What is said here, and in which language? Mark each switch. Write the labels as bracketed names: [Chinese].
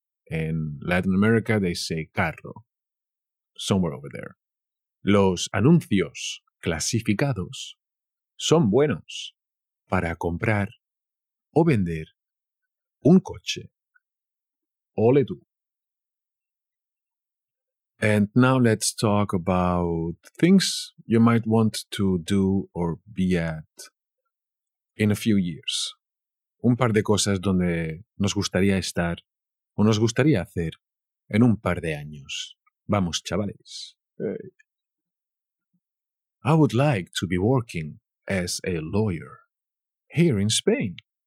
[English] In Latin America, they say carro. Somewhere over there. [Spanish] Los anuncios clasificados son buenos para comprar o vender un coche. Ole tú. [English] And now let's talk about things you might want to do or be at in a few years. [Spanish] Un par de cosas donde nos gustaría estar o nos gustaría hacer en un par de años. Vamos, chavales. [English] Hey. I would like to be working as a lawyer here in Spain.